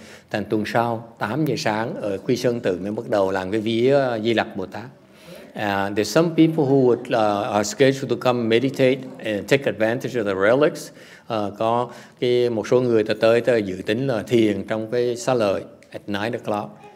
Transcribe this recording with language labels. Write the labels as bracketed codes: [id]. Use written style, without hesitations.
[vi] Thành tuần sau 8 giờ sáng ở Quy Sơn Tự mới bắt đầu làm cái vía Di Lặc Bồ Tát. [en] There's some people who would are scheduled to come meditate and take advantage of the relics. [vi] Có cái một số người tới dự tính là thiền trong cái xá lợi [en] at 9 o'clock.